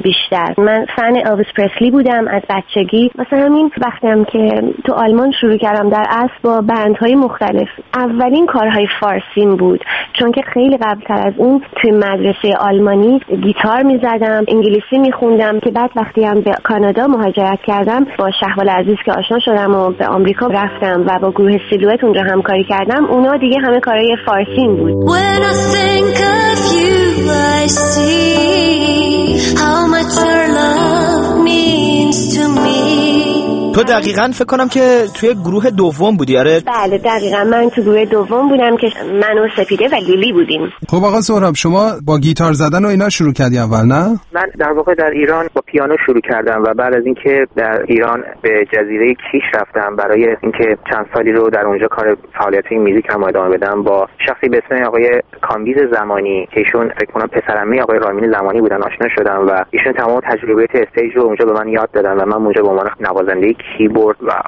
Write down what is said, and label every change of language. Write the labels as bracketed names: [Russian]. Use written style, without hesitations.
[Persian] بیشتر من فن الویس پرسلی بودم از بچگی، واسه همین وقتی هم که تو آلمان شروع کردم در اصل با بندهای مختلف، اولین کارهای فارسیم بود، چون که خیلی قبلتر از اون توی مدرسه آلمانی گیتار میزدم، انگلیسی میخوندم، که بعد وقتی هم به کانادا مهاجرت کردم با شهوال عزیز که آشنا شدم و به آمریکا رفتم و با گروه سیلویت اونجا همکاری کردم، اونا دیگه همه کارهای فارسیم بود. [English] When I think of you I see how much your love means to me. [Persian] تو دقیقا فکر کنم که توی گروه دوم بودی. آره بله دقیقا من توی گروه دوم بودم که من و سپیده و لیلی بودیم. خب آقا سهراب، شما با گیتار زدن و اینا شروع کردی اول نه؟ من در واقع در ایران با پیانو شروع کردم و بعد از اینکه در ایران به جزیره کیش رفتم برای اینکه چند سالی رو در اونجا کار فعالیت موزیک هم ادامه بدم، با شخصی به اسم آقای کامبیز زمانی که ایشون فکر کنم پسرعمه آقای رامین زمانی بودن آشنا شدم و ایشون تمام تجربیات استیج رو اونجا به من یاد دادن و من اونجا به عنوان نوازنده کیبورد و